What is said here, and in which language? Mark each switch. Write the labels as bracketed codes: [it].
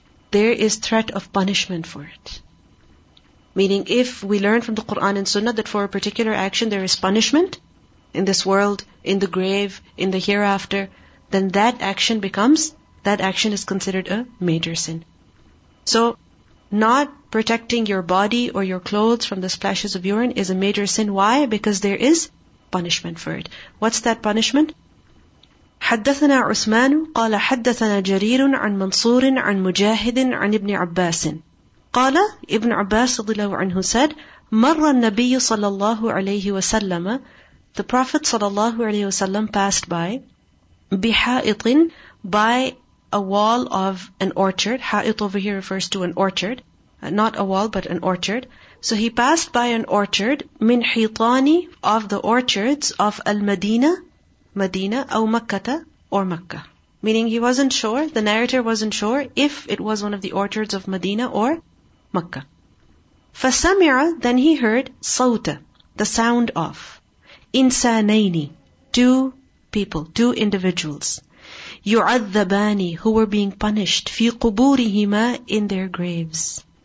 [en] There is threat of punishment for it. Meaning if we learn from the Qur'an and Sunnah that for a particular action there is punishment in this world, in the grave, in the hereafter, then that action is considered a major sin. So not protecting your body or your clothes from the splashes of urine is a major sin. Why? Because there is punishment for it. What's that punishment? [ar] حدثنا عثمان قال حدثنا جرير عن منصور عن مجاهد عن ابن عباس قال ابن عباس رضي الله عنه [en] said [ar] مر النبي صلى الله عليه وسلم [en] the prophet [ar] صلى الله عليه وسلم [en] passed by [ar] بحائط [en] by a wall of an orchard. حائط over here refers to an orchard, not a wall but an orchard. So he passed by an orchard [ar] من حيطاني [en] of the orchards of [ar] المدينة [en] Medina [ar] أو مكة [en] or [ar] مكة. [en] Meaning he wasn't sure, the narrator wasn't sure if it was one of the orchards of Medina or Makkah. [ar] فَسَمِعَ, [en] then he heard, [ar] صَوْتَ, [en] the sound of, [ar] إِنسَانَيْنِ, [en] two people, two individuals, [ar] يُعَذَّبَانِ, [en] who were being punished, [ar] فِي قُبُورِهِمَا, [en] in their graves.